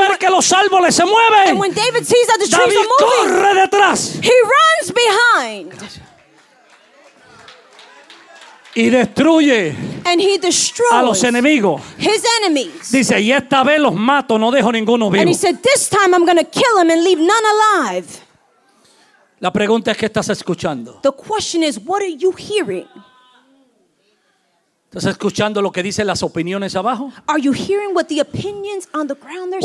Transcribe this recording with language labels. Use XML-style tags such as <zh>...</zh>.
<es>ver que los árboles se mueven,</es> <en>That the trees</en> <es>David</es> <en>are moving.</en> <es>Corre detrás.</es> <en>He runs behind.</en> <es>Y destruye</es> <en>And he destroys</en> <es>a los enemigos.</es> <en>His enemies.</en> <es>Dice, y esta vez los mato, no dejo ninguno vivo.</es> <en>And he said, this time I'm going to kill him and leave none alive.</en> <es>La pregunta es, ¿qué estás escuchando?</es> <en>The question is, what are you hearing?</en> <es>¿Estás escuchando lo que dicen las opiniones abajo?</es> <en>Are you hearing what the opinions on the ground are saying?</en>